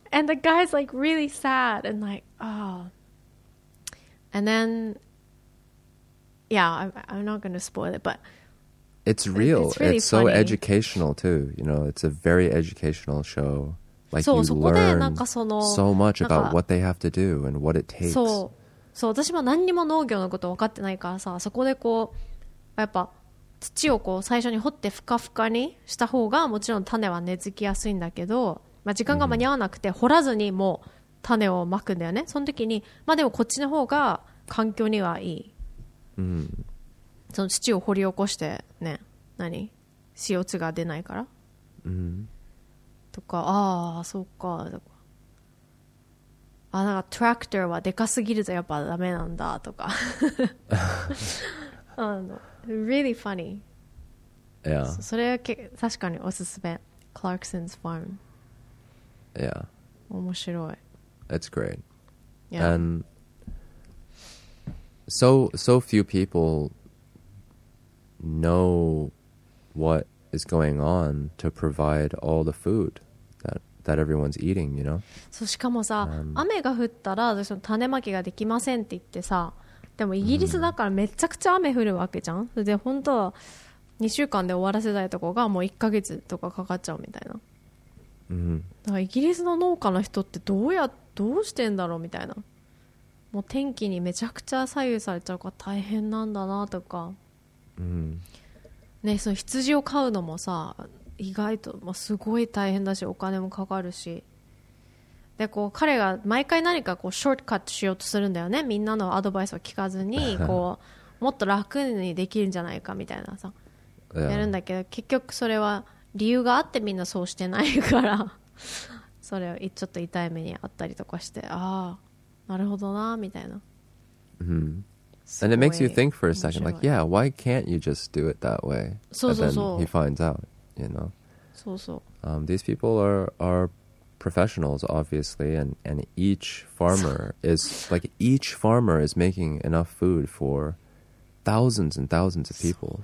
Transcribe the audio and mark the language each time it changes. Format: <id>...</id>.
<en>And the guy's like really sad and like, oh. And then, yeah, I'm not going to spoil it, but it's real. It's, really it's so educational too. You know, it's a very educational show. Like、</en> <ja>そう、</ja> <en>you learn so much about what they have to do and what it takes.</en> <ja>そう、そう、私も何にも農業のこと分かってないからさ、そこでこうやっぱ土をこう最初に掘ってふかふかにした方がもちろん種は根付きやすいんだけど、まあ、時間が間に合わなくて掘らずにもう種をまくんだよね。その時に、まあ、でもこっちの方が環境にはいい。その土を掘り起こしてね、何 CO2 が出ないから。とかああそうかとかあなんかトラクターはでかすぎるとやっぱダメなんだとかあの</ja> <en>really funny、 yeah.</en> <ja>それはけ確かにおすすめ Clarkson's Farm</ja> <en>yeah</en> <ja>面白い</ja> <en>it's great、yeah. and so few people know what is going on to provide all the foodthat everyone's eating, you know.</en> <ja>そうしかもさ、雨が降ったら私の種まきができませんって言ってさ、でもイギリスだからめちゃくちゃ雨降るわけじゃん。で本当は2週間で終わらせたいとこがもう1ヶ月とかかかっちゃうみたいな。だからイギリスの農家の人ってどうしてんだろうみたいな。もう天気にめちゃくちゃ左右されちゃうから大変なんだなとか。ね、その羊を飼うのもさ。意外と、まあ、すごい大変だしお金もかかるしでこう彼が毎回何かこうショートカットしようとするんだよねみんなのアドバイスを聞かずにこうもっと楽にできるんじゃないかみたいなさやるんだけど、yeah. 結局それは理由があってみんなそうしてないからそれをちょっと痛い目にあったりとかしてああなるほどなみたいな、 mm-hmm.</ja> <en>And it makes you think for a second like yeah why can't you just do it that way</en> <ja>そうそうそう</ja> <en>and then he finds outYou know, so so. These people are professionals, obviously, and each farmer is like each farmer is making enough food for thousands and thousands of people.</en>